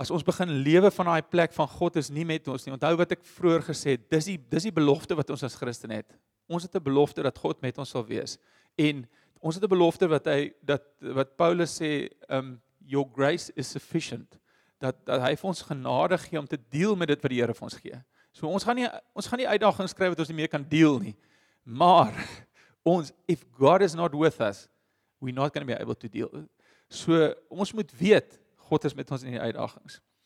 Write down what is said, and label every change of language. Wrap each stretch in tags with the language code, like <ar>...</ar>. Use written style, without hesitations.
<af>as ons begin lewe van daai plek van God is nie met ons nie. Onthou wat ek vroeër gesê het, dis die belofte wat ons as Christen het. Ons het 'n belofte dat God met ons sal wees. En ons het 'n belofte wat Paulus sê,</af> <en>your grace is sufficient.</en> <af>Dat hy vir ons genade gee om te deel met dit wat die Here vir ons gee. So ons gaan nie uitdagings kry wat ons nie meer kan deel nie. Maar ons,</af> <en>if God is not with us, we're not going to be able to deal.</en> <af>So ons moet weet God is met ons in die uitdagings.</af>